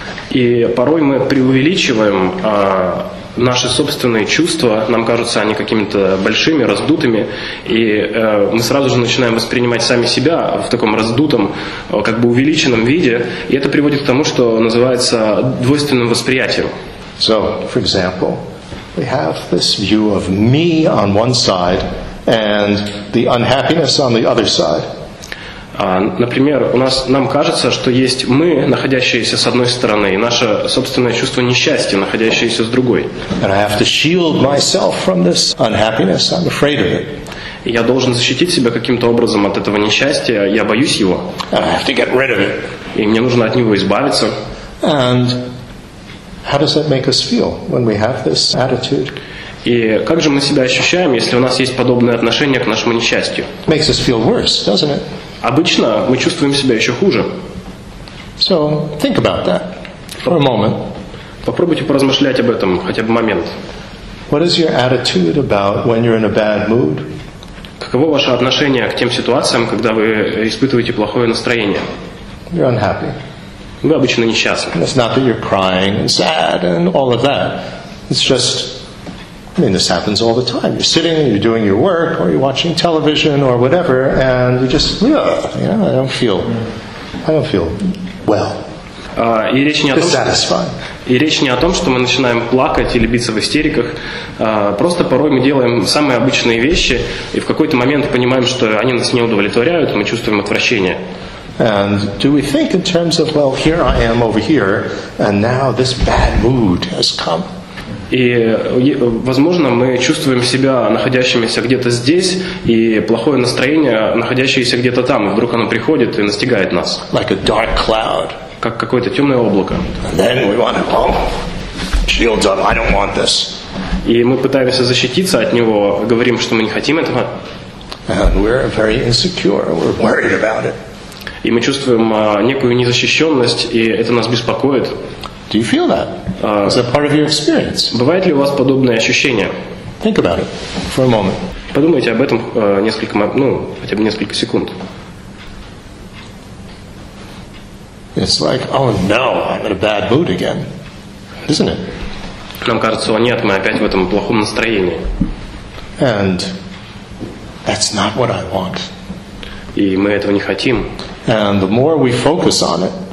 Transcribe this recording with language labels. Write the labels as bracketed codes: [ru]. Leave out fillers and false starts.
[ru] И порой мы преувеличиваем наши собственные чувства, нам кажутся они какими-то большими, раздутыми, и мы сразу же начинаем воспринимать сами себя в таком раздутом, как бы увеличенном виде, и это приводит к тому, что называется двойственным восприятием. [en] So, for example, we have this view of me on one side and the unhappiness on the other side. [ru] Например, нам кажется, что есть мы, находящиеся с одной стороны, и наше собственное чувство несчастья, находящееся с другой. [en] And I have to shield myself from this unhappiness. I'm afraid of it. [ru] Я должен защитить себя каким-то образом от этого несчастья. Я боюсь его. [en] And I have to get rid of it. [ru] И мне нужно от него избавиться. [en] And how does that make us feel when we have this attitude? [ru] И как же мы себя ощущаем, если у нас есть подобное отношение к нашему несчастью? [en] Makes us feel worse, doesn't it? [ru] Обычно мы чувствуем себя еще хуже. [en] So, think about that for a moment. [ru] Попробуйте поразмышлять об этом хотя бы момент. [en] What is your attitude about when you're in a bad mood? [ru] Каково ваше отношение к тем ситуациям, когда вы испытываете плохое настроение? [en] You're unhappy. [ru] Вы обычно несчастны. [en] It's not that you're crying and sad and all of that. It's just, I mean, this happens all the time. You're sitting, you're doing your work, or you're watching television, or whatever, and you just, I don't feel well. Dissatisfied. [ru] И речь не о том, что мы начинаем плакать или биться в истериках. Просто порой мы делаем самые обычные вещи, и в какой-то момент понимаем, что они нас не удовлетворяют, мы чувствуем отвращение. [en] And do we think in terms of, well, here I am over here, and now this bad mood has come? [ru] И, возможно, мы чувствуем себя находящимися где-то здесь, и плохое настроение, находящееся где-то там, и вдруг оно приходит и настигает нас. [en] Like a dark cloud. [ru] Как какое-то темное облако. [en] And then we want to, shield's up, I don't want this. [ru] И мы пытаемся защититься от него, говорим, что мы не хотим этого. [en] And we're very insecure, we're worried about it. [ru] И мы чувствуем некую незащищенность, и это нас беспокоит. [en] Do you feel that? Is that part of your experience? [ru] Бывает ли у вас подобное ощущение? [en] Think about it for a moment. [ru] Подумайте об этом несколько, хотя бы несколько секунд. [en] It's like, oh no, I'm in a bad mood again, isn't it? [ru] Нам кажется, о нет, мы опять в этом плохом настроении. [en] And that's not what I want. [ru] И мы этого не хотим. [en] And the more we focus on it,